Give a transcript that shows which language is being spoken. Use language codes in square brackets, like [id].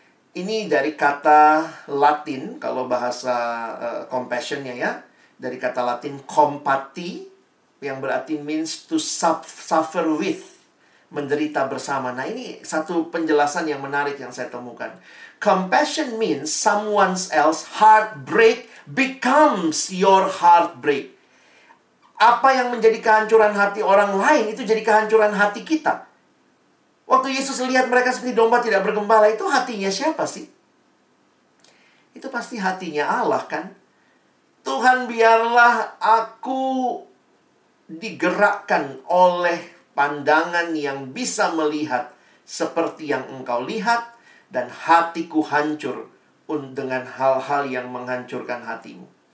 [id] Ini dari kata Latin, kalau bahasa compassionnya ya. Dari kata Latin compati, yang berarti means to suffer with, menderita bersama. Nah ini satu penjelasan yang menarik yang saya temukan. [en] Compassion means someone else's heartbreak becomes your heartbreak. [id] Apa yang menjadi kehancuran hati orang lain itu jadi kehancuran hati kita. Waktu Yesus lihat mereka seperti domba tidak bergembala, itu hatinya siapa sih? Itu pasti hatinya Allah kan? Tuhan, biarlah aku digerakkan oleh pandangan yang bisa melihat seperti yang engkau lihat, dan hatiku hancur dengan hal-hal yang menghancurkan hatimu.